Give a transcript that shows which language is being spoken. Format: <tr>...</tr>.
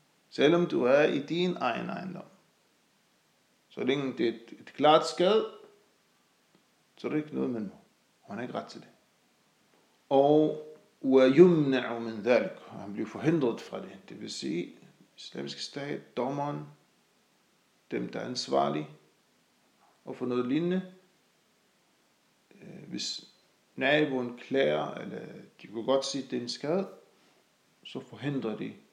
<da>Selvom du er i din egen ejendom. Så længe det er et klart skade, så er det ikke noget, man må. Han er ikke ret til det. Og</da> <ar>وَيُمْنَعُ مِنْ ذَلْكُ.</ar> <da>Han bliver forhindret fra det. Det vil sige, islamiske stat, dommeren, dem, der er ansvarlige, og for noget lignende, hvis naboen klager, eller de kunne godt sige, det er en skade, så forhindrer de</da>